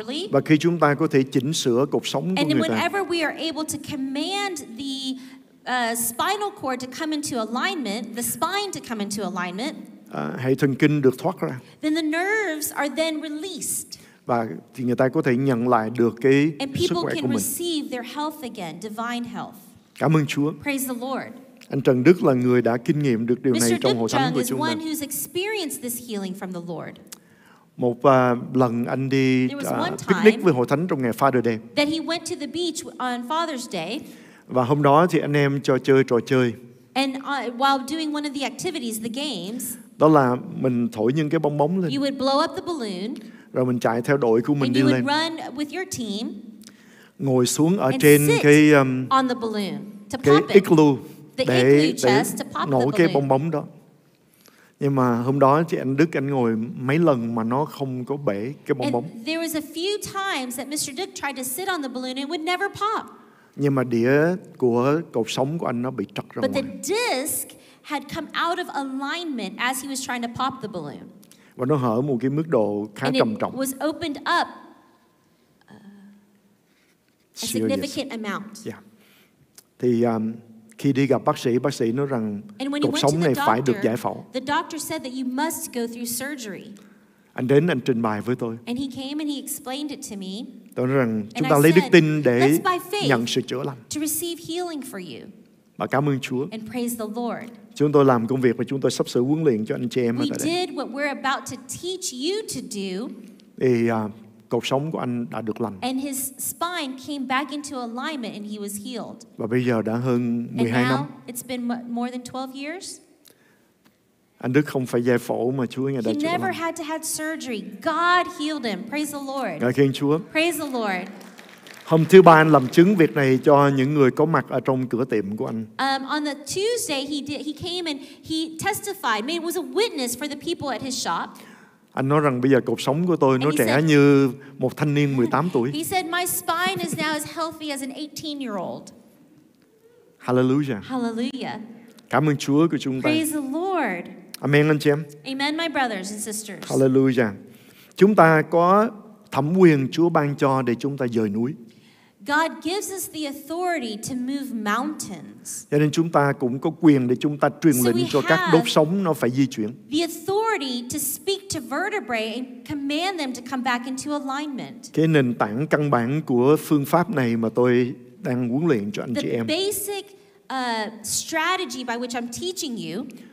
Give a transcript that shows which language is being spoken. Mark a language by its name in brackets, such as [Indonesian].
[Vietnamese] Và khi chúng ta có thể chỉnh sửa cột sống của người ta, [English] whenever we are able to command the spinal cord to come into alignment, the spine to come into alignment, [Vietnamese] hệ thần kinh được thoát ra, [English] then the nerves are then released. [Vietnamese] Và thì người ta có thể nhận lại được cái sức khỏe của mình. [English] And people can receive their health again, divine health. [Vietnamese] Cảm ơn Chúa. [English] Praise the Lord. [Vietnamese] Anh Trần Đức là người đã kinh nghiệm được điều này trong hội thánh của chúng ta. [English] Mr. Duc Trung is one who's experienced this healing from the Lord. [Vietnamese] Một lần anh đi picnic với hội thánh trong ngày Father Day. [English] That he went to the beach on Father's Day. [Vietnamese] Và hôm đó thì anh em cho chơi trò chơi. [English] And while doing one of the activities, the games. [Vietnamese] Đó là mình thổi những cái bong bóng lên. [English] You would blow up the balloon. [Vietnamese] Rồi mình chạy theo đội của mình đi lên. [English] And you would run with your team. [Vietnamese] Ngồi xuống ở trên cái [English] on the balloon to [Vietnamese] cái [English] pop it. Igloo. The igloo chest to pop the [Vietnamese] balloon. Cái bong bóng đó. Nhưng mà hôm đó thì anh Đức anh ngồi mấy lần mà nó không có bể cái bong bóng. [English] And there was a few times that Mr. Duc tried to sit on the balloon and it would never pop. [Vietnamese] Nhưng mà đĩa của cột sống của anh nó bị trật ra ngoài. [English] But the disc had come out of alignment as he was trying to pop the balloon. [Vietnamese] Và nó hở một cái mức độ khá [English] and [Vietnamese] trầm trọng. [English] It was opened up a significant amount. Yeah. [Vietnamese] Thì khi đi gặp bác sĩ nói rằng cột sống này phải được giải phẫu. [English] The doctor said that you must go through surgery. [Vietnamese] Anh đến anh trình bày với tôi. [English] And he came and he explained it to me. [Vietnamese] Tôi nói rằng chúng ta lấy đức tin để nhận sự chữa lành. [English] To receive healing for you. [Vietnamese] Và cảm ơn Chúa. [English] And praise the Lord. [Vietnamese] Chúng tôi làm công việc và chúng tôi sắp sửa huấn luyện cho anh chị em ở tại đây. [English] We're about to teach you to do. [Vietnamese] Cột sống của anh đã được lành. [English] And his spine came back into alignment and he was healed. [Vietnamese] Và bây giờ đã hơn 12 [English] and now, [Vietnamese] năm. [English] It's been more than 12 years. [Vietnamese] Anh Đức không phải giải phẫu mà Chúa ngài đã chữa. [English] He never had to have surgery. God healed him. Praise the Lord. [Vietnamese] Ngợi khen Chúa. [English] Praise the Lord. [Vietnamese] Hôm thứ ba anh làm chứng việc này cho những người có mặt ở trong cửa tiệm của anh. [English] On the Tuesday he came and he testified, made was a witness for the people at his shop. [Vietnamese] Anh nói rằng bây giờ cột sống của tôi nó trẻ [English] said, [Vietnamese] như một thanh niên 18 tuổi. [English] He said my spine is now as healthy as an 18-year-old. Hallelujah. Hallelujah. [Vietnamese] Cảm ơn Chúa của chúng ta. [English] Praise the Lord. [Vietnamese] Amen anh chị em. [English] Amen my brothers and sisters. Hallelujah. [Vietnamese] Chúng ta có thẩm quyền Chúa ban cho để chúng ta dời núi. [English] God gives us the authority to move mountains. [Vietnamese] Cho nên chúng ta cũng có quyền để chúng ta truyền lệnh cho các đốt sống nó phải di chuyển. [English] The authority to speak to vertebrae and command them to come back into alignment. [Vietnamese] Cái nền tảng căn bản của phương pháp này mà tôi đang huấn luyện cho anh chị em. [English] The basic strategy by which I'm teaching you.